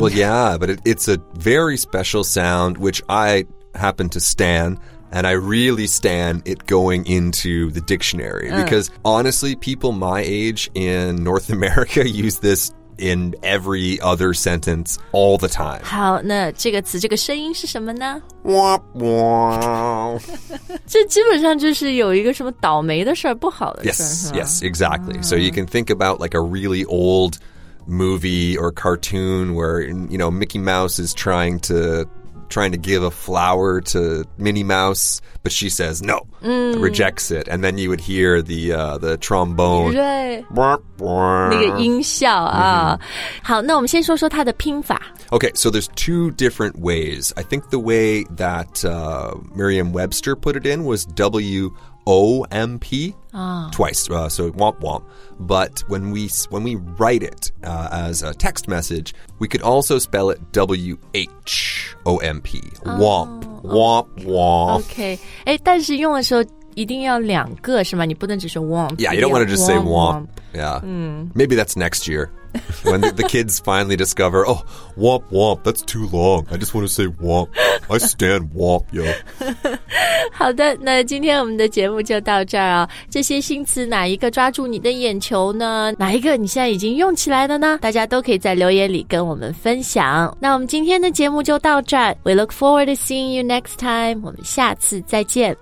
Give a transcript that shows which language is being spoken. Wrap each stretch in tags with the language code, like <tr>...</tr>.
<en>Well, yeah, but it's a very special sound, which I happen to stan. And I really stan it going into the dictionary. Because honestly, people my age in North America use this in every other sentence all the time.</en> <zh>好，那这个词这个声音是什么呢？哇哇！这基本上就是有一个什么倒霉的事儿，不好的事儿。</zh> <en>Yes, yes, exactly.、Mm. So you can think about like a really old movie or cartoon where, you know, Mickey Mouse is trying to give a flower to Minnie Mouse, but she says no,、 mm. rejects it. And then you would hear the trombone.</en> <zh>对，那个音效啊。Mm-hmm. 好，那我们先说说它的拼法。</zh> <en>Okay, so there's two different ways. I think the way that Merriam-Webster put it in was W-O-M-P,、 oh. twice,、so womp womp. But when we write it、as a text message, we could also spell it W-H-O-M-P,、oh. womp, womp, womp. Okay,</en> <zh>哎，但是用的时候一定要两个是吗？你不能只说 womp.</zh> <en>Yeah, you don't want to just say womp. Yeah,、 mm. maybe that's next year. When the kids finally discover, oh, womp womp, that's too long. I just want to say womp. I stand womp, yo.</en> <zh>好的，那今天我们的节目就到这儿啊。这些新词哪一个抓住你的眼球呢？哪一个你现在已经用起来了呢？大家都可以在留言里跟我们分享。那我们今天的节目就到这儿。</zh> <en>We look forward to seeing you next time.</en> <zh>我们下次再见。</zh>